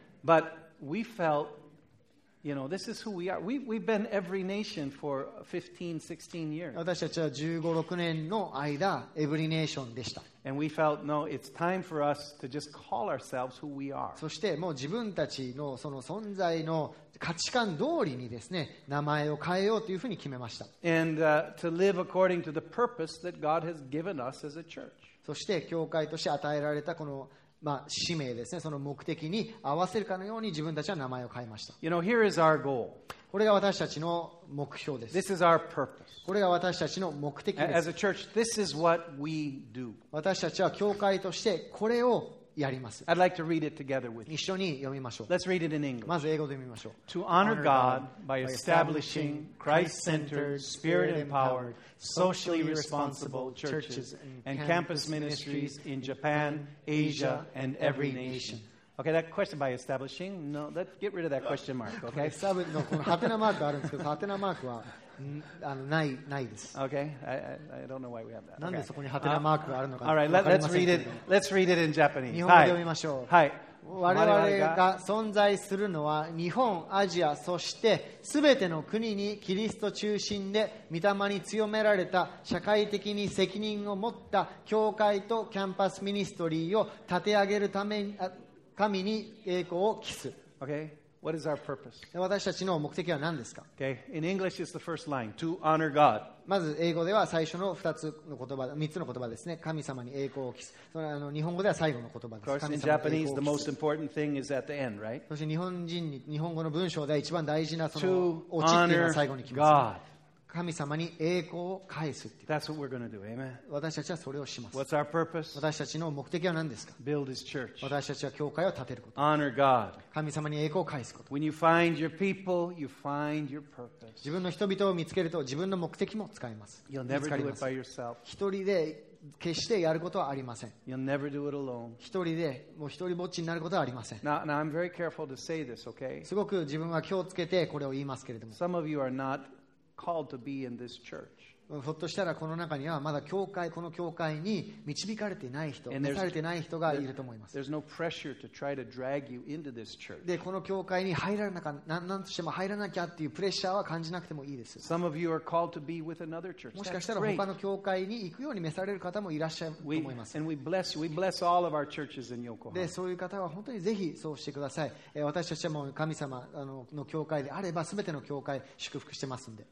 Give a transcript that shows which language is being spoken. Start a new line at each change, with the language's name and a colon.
English: But we felt, you know, this is who we are. We've been every nation for 15, 16 years.
Japanese: 私たちは15、6年の間、エブリネーションでした。
English: And we felt, no, it's time for us to just call ourselves who we are.
Japanese: そしてもう自分たちのその存在の価値観通りにですね、名前を変えようというふうに決めました。
English: And to live according to the purpose that God has given us as a church.
Japanese: そして教会として与えられたこの、まあ、使命ですね、その目的に合わせるかのように自分たちは名前を変えました。
English: You know, here is our goal.
Japanese: これが私たちの目標です。
English: This is our purpose.
Japanese: これが私たちの目的です。
English: As a church, this is what we do.
Japanese: 私たちは教会としてこれをやります。
English: I'd like to read it together with you.
Japanese: 一緒に読みましょう。
English: Let's read it in English.
Japanese: まず英語で読みましょう。
English: To honor God by establishing Christ-centered, Spirit-empowered, socially responsible churches and campus ministries in Japan, Asia, and every nation. Okay, that question by establishing, no, let's get rid of that question mark, okay?
Japanese: No, このハテナマークあるんですけど、ハテナマークはあのない、ないです。
English: Okay, I don't know why we have that.
Japanese: なんでそこにハテナマークがあるのか、
English: All right, let's read it in Japanese.
Japanese: 日本語で読みましょう。はい。我々が存在するのは日本、アジア、そしてすべての国にキリスト中心で御霊に強められた社会的に責任を持った教会とキャンパスミニストリーを立て上げるために、神に栄光を期す。
English: Okay. What is our purpose?
Japanese: 私たちの目的は何ですか?
English: Okay. In English, it's the first line. To honor God.
Japanese: まず英語では最初の2つの言葉、3つの言葉ですね。神様に栄光を期す。それあの日本語では最後の言葉です。
English: Of course, in Japanese, the most important thing is at the end, right?
Japanese: そして日本人に日本語の文章では一番大事なそのオチっていうのは最後に来ます。
English: God.
Japanese: 神様に栄光を返すっていう。
English: That's what we're going to do. Amen.
Japanese: 私たちはそれをします。
English: What's our purpose?
Japanese: 私たちの目的は何ですか?
English: Build His church.
Japanese: 私たちは教会を建てること。
English: Honor God.
Japanese: 神様に栄光を返すこと。
English: When you find your people, you find your purpose.
Japanese: 自分の人々を見つけると自分の目的も使えます。
English: You'll never do it by yourself.
Japanese: 一人で決してやることはありません。
English: You'll never do it alone.
Japanese: 一人でもう一人ぼっちになることはありません。
English: Now I'm very careful to say this, okay?
Japanese: すごく自分は気をつけてこれを言いますけれども。
English: Some of you are not. Called to be in this church.
Japanese: ひょっとしたらこの中にはまだ教会この教会に導かれてない人、召されてない人がいると思います。
English: There's no pressure to try to drag you into this church.
Japanese: でこの教会に入らなきゃ、なんとしても入らなきゃっていうプレッシャーは感じなくてもいいです。
English: Some of you are called to be with another church.
Japanese: もしかしたら他の教会に行くように召される方もいらっしゃると思います。
English: And we bless you. We bless all of our churches in Yokohama.
Japanese: でそういう方は本当にぜひそうしてください。私たちも神様の教会であれば全ての教会祝福してますんで。